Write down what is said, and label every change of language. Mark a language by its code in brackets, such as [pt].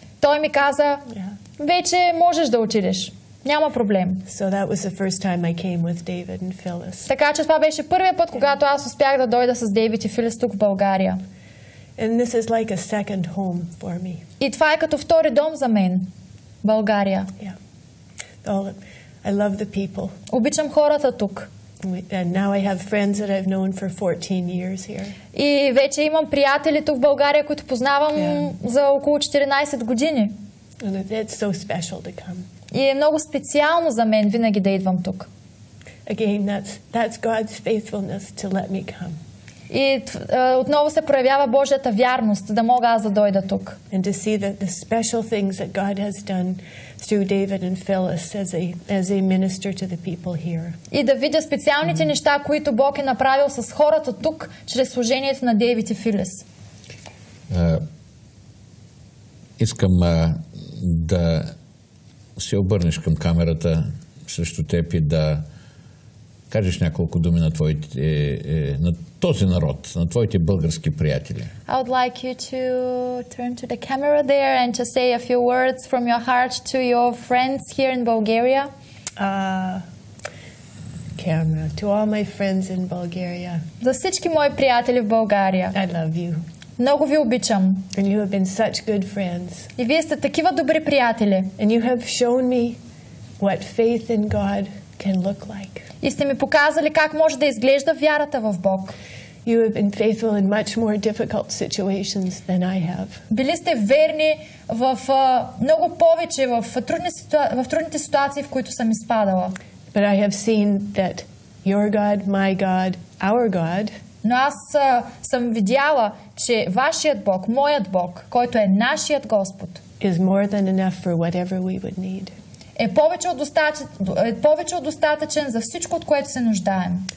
[bg] Той ми каза, "Вече можеш да отидеш." Няма проблем. [en] So that was the first time I came with David and Phyllis. [bg] Така че това беше първият път, когато аз успях да дойда с Дейвид и Филис тук в България. [en] And this is like a second home for me. [bg] И това е като втори дом за мен. България. [en] Yeah. Oh, I love the people. [bg] Обичам хората тук. [en] And now I have friends that I've known for 14 years here. [bg] И вече имам приятели тук в България, които познавам за около 14 години. [en] And it's so special to come. [bg] И е много специално за мен винаги да идвам тук. [en] Again, that's God's faithfulness to let me come. [bg] И отново се проявява Божията вярност да мога аз да дойда тук. [en] And to see that the special things that God has done through David and Phyllis as they minister to the people here. [bg] И да видя специалните неща, които Бог е направил с хората тук чрез служението на Дейвид и Филис. Искам да се обърнеш към камерата срещу теб и да кажеш няколко думи на твоите, на този народ, на твоите български приятели. [en] I would like you to turn to the camera there and to say a few words from your heart to your friends here in Bulgaria. Camera, to all my friends in Bulgaria. [bg] За всички мои приятели в България. [en] I love you. [bg] Много ви обичам. [en] And you have been such good friends. [bg] И вие сте такива добри приятели. [en] And you have shown me what faith in God can look like. [bg] И сте ми показали как може да изглежда вярата в Бог. [en] You have been faithful in much more difficult situations than I have. [bg] Били сте верни в много повече в трудните ситуации, в които съм изпадала. [en] But I have seen that your God, my God, our God. [bg] Но аз съм видяла, че вашият Бог, моят Бог, който е нашият Господ, [en] is more than enough for whatever we would need. [bg] Е повече от достатъчен за всичко, от което се нуждаем.